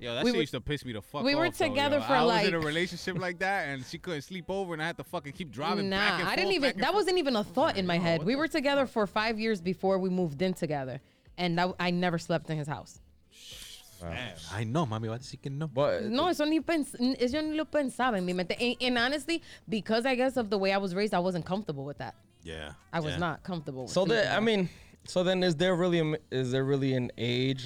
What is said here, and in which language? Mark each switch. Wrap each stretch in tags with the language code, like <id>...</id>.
<en>used to piss me the fuck off. I was in a relationship like that, and she couldn't sleep over, and I had to fucking keep driving back and forth. That wasn't even a thought in my head. We were together for 5 years before we moved in together, and I never slept in his house. Wow. I know, mami, what is he can know? But</en> <es>no, yo ni lo pensaba en mi mente.</es> <en>And honestly, because I guess of the way I was raised, I wasn't comfortable with that. Yeah, I was not comfortable. With so then, I mean, so then, is there really an age?</en>